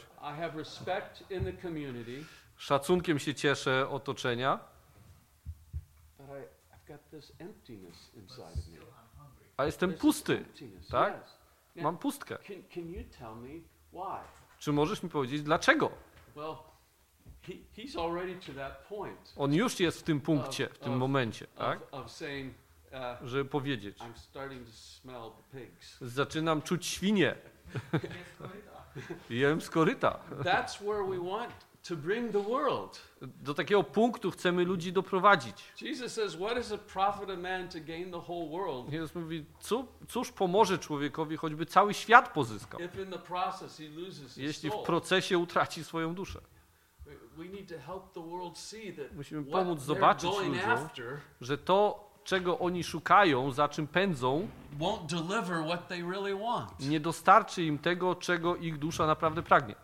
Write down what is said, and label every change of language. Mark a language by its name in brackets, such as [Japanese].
[English] I have respect in the community. [Polish] Szacunkiem się cieszę otoczenia. [English] But I've got this emptiness inside of me. [Polish] A jestem pusty, tak? [English] Yes. [Polish] Mam pustkę. [English] Can you tell me why? [Polish] Czy możesz mi powiedzieć dlaczego? [English] Well, he's already to that point. [Polish] On już jest w tym punkcie, w tym momencie, tak? [English] Saying, [Polish] żeby powiedzieć. [English] I'm starting to smell the pigs. [Polish] Zaczynam czuć świnie. Jem z koryta. [English] That's where we want to bring the world. [Polish] Do takiego punktu chcemy ludzi doprowadzić. [English] Jesus says, what is a profit a man to gain the whole world? [Polish] Jezus mówi, cóż pomoże człowiekowi, choćby cały świat pozyskał? [English] If in the process he loses his [Polish] jeśli w procesie utraci swoją duszę. [English] We need to help the world see that [Polish] musimy pomóc zobaczyć ludziom, [English] after, [Polish] że to, czego oni szukają, za czym pędzą, [English] won't deliver what they really want. [Polish] Nie dostarczy im tego, czego ich dusza naprawdę pragnie.